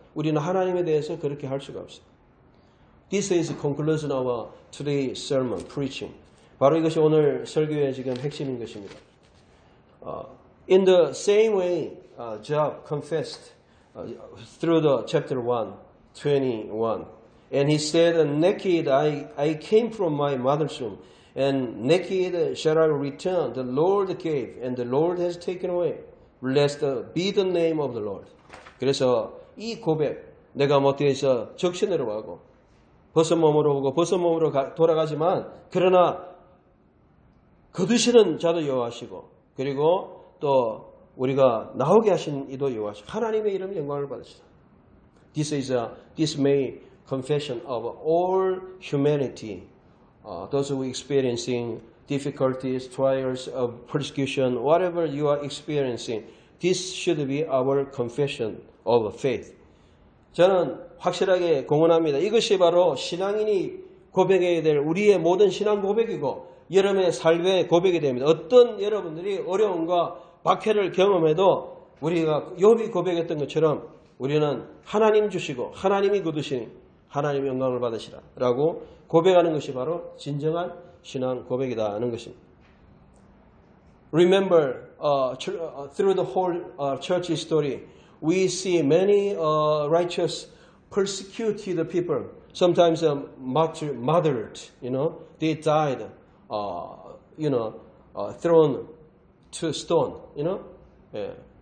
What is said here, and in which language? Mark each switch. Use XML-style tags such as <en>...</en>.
<ko>우리는 하나님에 대해서 그렇게 할 수가 없어요.</ko> <en>This is the conclusion of today's sermon preaching.</en> <ko>바로 이것이 오늘 설교의 지금 핵심인 것입니다.</ko> <en>In the same way, Job confessed through the chapter 1:21, and he said, "Naked I came from my mother's womb, and naked shall I return. The Lord gave, and the Lord has taken away. Blessed be the name of the Lord."</en> <ko>그래서 이 고백, 내가 못해서 적신으로 가고 벗은 몸으로 오고 벗은 몸으로 돌아가지만 그러나 거두시는 자도 여호와시고. 그리고 또 우리가 나오게 하신 이도 여호와시 하나님의 이름 영광을 받으시다.</ko> <en>This may confession of all humanity, those who are experiencing difficulties, trials of persecution, whatever you are experiencing, this should be our confession of faith.</en> <ko>저는 확실하게 공언합니다. 이것이 바로 신앙인이 고백해야 될 우리의 모든 신앙 고백이고. 여러분의 삶의 고백이 됩니다. 어떤 여러분들이 어려움과 박해를 경험해도 우리가 욥이 고백했던 것처럼 우리는 하나님 주시고 하나님이 거두시니 하나님 영광을 받으시라라고 고백하는 것이 바로 진정한 신앙 고백이다 하는 것입니다.</ko> <en>Remember, through the whole church history, we see many righteous persecuted people. Sometimes martyred, you know, they died, thrown to stone, you know, yeah.</en>